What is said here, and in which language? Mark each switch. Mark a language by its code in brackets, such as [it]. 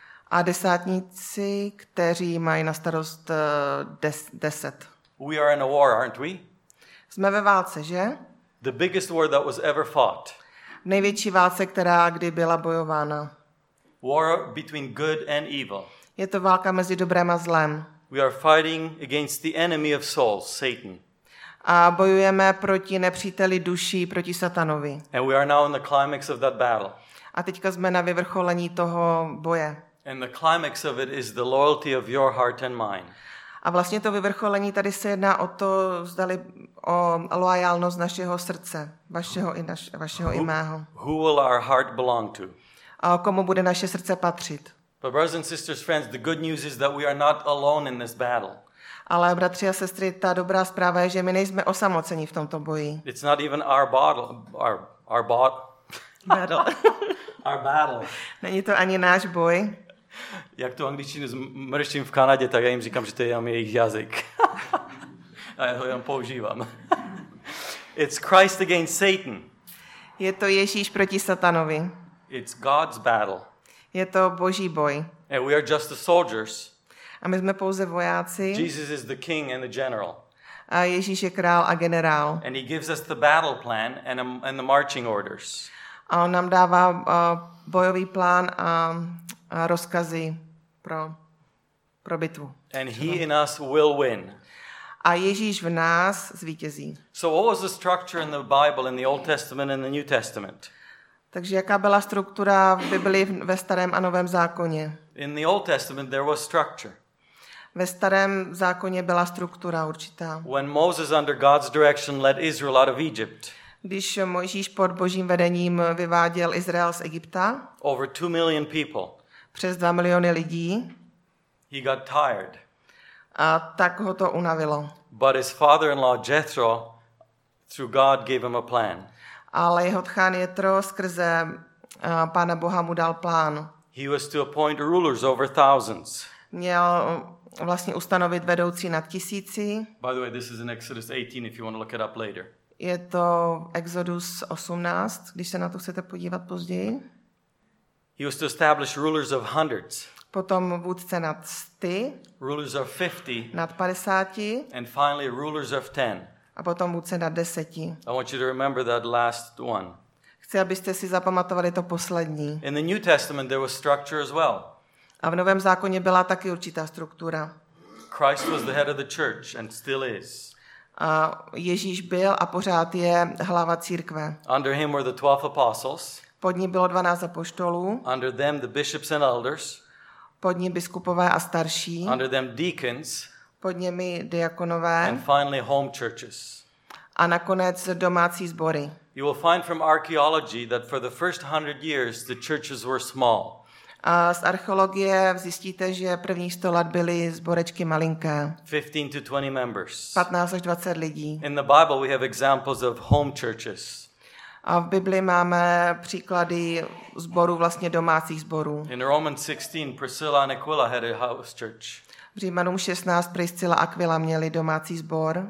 [cs] A desátníci, kteří mají na starost 10. [en] We are in a war, aren't we? [cs] Jsme ve válce, že? [en] The biggest war that was ever fought. [cs] Největší válce, která kdy byla bojována. [en] War between good and evil. [cs] Je to válka mezi dobrem a zlem. [en] We are fighting against the enemy of souls, Satan. [cs] A bojujeme proti nepříteli duší, proti Satanovi. [en] And we are now in the climax of that battle. [cs] A teďka jsme na vyvrcholení toho boje. [en] And the climax of it is the loyalty of your heart and mine. [cs] A vlastně to vyvrcholení tady se jedná o to, zdali o loajálnost našeho srdce, vašeho i mého. [en] Who will our heart belong to? [cs] A komu bude naše srdce patřit? [en] But brothers and sisters, friends, the good news is that we are not alone in this battle. [cs] Ale bratři a sestry, ta dobrá zpráva je, že my nejsme osamoceni v tomto boji. [en] It's not even our battle. [cs] Není to ani náš boj. Jak tu angličtinu mrštím v Kanadě, tak já jim říkám, že to je jenom jejich jazyk. A já ho jenom používám. [en] It's Christ against Satan. [cs] Je to Ježíš proti Satanovi. [en] It's God's battle. [cs] Je to Boží boj. [en] And we are just the soldiers. [cs] A my jsme pouze vojáci. [en] Jesus is the king and the general. [cs] A Ježíš je král a generál. [en] And he gives us the battle plan and the marching orders. [cs] A on nám dává bojový plán a rozkazy pro bitvu. [en] And he in us will win. [cs] A Ježíš v nás zvítězí. [en] So what was the structure in the Bible in the Old Testament and the New Testament? [cs] Takže jaká byla struktura v Biblii ve starém a novém zákoně? [en] In the Old Testament there was structure. [cs] Ve starém zákoně byla struktura určitá. [en] When Moses under God's direction led Israel out of Egypt. [cs] Když Mojžíš pod Božím vedením vyváděl Izrael z Egypta. [en] Over 2 million people. [cs] Přes 2 miliony lidí. [en] He got tired. [cs] A tak ho to unavilo. [en] But his father-in-law Jethro through God gave him a plan. [cs] Ale jeho tchán Jethro skrze Pána Boha mu dal plán. [en] He was to appoint rulers over thousands. [cs] Měl vlastně ustanovit vedoucí nad tisíci. [en] By the way, this is in Exodus 18 if you want to look it up later. [cs] Je to Exodus 18, když se na to chcete podívat později. [en] He was to establish rulers of hundreds. [cs] Potom vůdce nad 100. [en] Rulers of 50. [cs] Nad 50. [en] And finally rulers of 10. [cs] A potom vůdce nad 10. [en] I want you to remember that last one. [cs] Chci, abyste si zapamatovali to poslední. [en] In the New Testament there was structure as well. [cs] A v Novém zákoně byla taky určitá struktura. [en] Christ was the head of the church and still is. [cs] A Ježíš byl a pořád je hlava církve. [en] Under him were the 12 apostles. [cs] Pod ním bylo 12 apoštolů. [en] Under them the bishops and elders. [cs] Pod ním biskupové a starší. [en] Under them deacons. [cs] Pod nimi diakonové. [en] And finally home churches. [cs] A nakonec domácí sbory. [en] You will find from archaeology that for the first 100 years the churches were small. [cs] A z archeologie zjistíte, že první 100 let byly zborečky malinké. [en] 15 to 20 members. [cs] 15 až 20 lidí. [en] In the Bible we have examples of home churches. [cs] A v Bibli máme příklady zborů, vlastně domácích zborů. [en] In Romans 16, Priscilla and Aquila had a house church. [cs] V Římanům 16 Priscilla a Aquila měli domácí zbor.